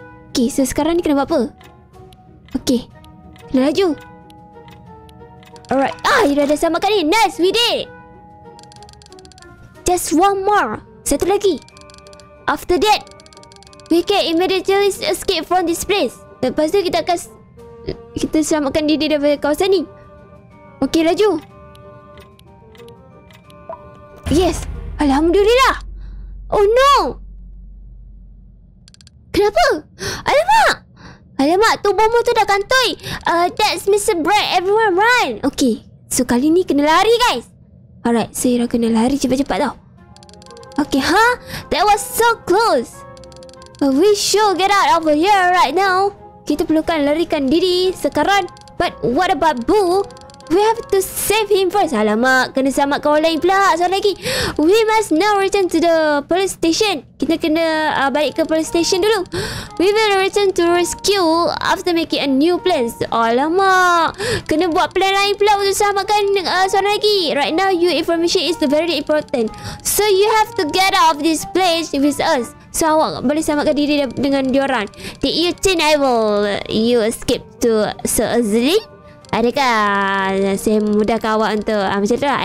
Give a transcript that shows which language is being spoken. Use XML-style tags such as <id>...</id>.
<ms>Okay, so sekarang ni kena buat apa? Okay. Kena laju. Alright. Ah, dia dah selamatkan ni.</ms> <en>Nice, we did. Just one more.</en> <ms>Satu lagi.</ms> <en>After that, we can immediately escape from this place.</en> <ms>Lepas tu kita akan... kita selamatkan diri daripada kawasan ni. Okey, laju.</ms> <en>Yes. Alhamdulillah. Oh no.</en> <ms>Kenapa? Alamak. Alamak, tu bomba tu dah kantoi.</ms> <en>That's Mr. Brad. Everyone run.</en> <ms>Okey. So kali ni kena lari, guys. Alright, so Ira kena lari cepat-cepat tau. Okay, huh?</ms> <en>That was so close. But we should get out of here right now.</en> <ms>Kita perlukan larikan diri sekarang.</ms> <en>But what about Boo? We have to save him first.</en> <ms>Alamak, kena selamatkan orang lain pula. Soal lagi.</ms> <en>We must now return to the police station.</en> <ms>Kita kena balik ke police station dulu.</ms> <en>We will return to rescue after making a new plan.</en> <ms>Alamak, kena buat plan lain pula untuk selamatkan soal lagi.</ms> <en>Right now, your information is very important. So, you have to get out of this place with us.</en> <ms>So, awak boleh selamatkan diri dengan diorang.</ms> <en>Did you think I will you escape to so easily?</en> <ms>Adakah saya mudahkan awak untuk macam tu lah.</ms>